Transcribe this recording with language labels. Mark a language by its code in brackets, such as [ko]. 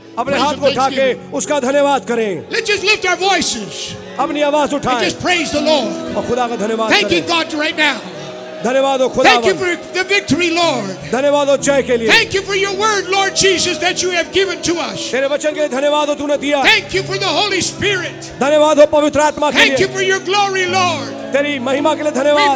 [hi] अपने हाथ को उठा के उसका धन्यवाद करें. [en] Let's just lift our voices. [hi] अपनी आवाज उठाएं. [en] Just praise the Lord. [hi] और खुदा का धन्यवाद करें. [en] Thank you, God, right now. [hi] धन्यवाद हो खुदा. [en] Thank you for the victory, Lord. [hi] धन्यवाद हो जय के लिए. [en] Thank you for your word, Lord Jesus, that you have given to us. [hi] तेरे वचन के लिए धन्यवाद हो तूने दिया. [en] Thank you for the Holy Spirit. [hi] धन्यवाद हो पवित्र आत्मा के लिए. [en] Thank you for your glory, Lord. [hi] तेरी महिमा के लिए धन्यवाद.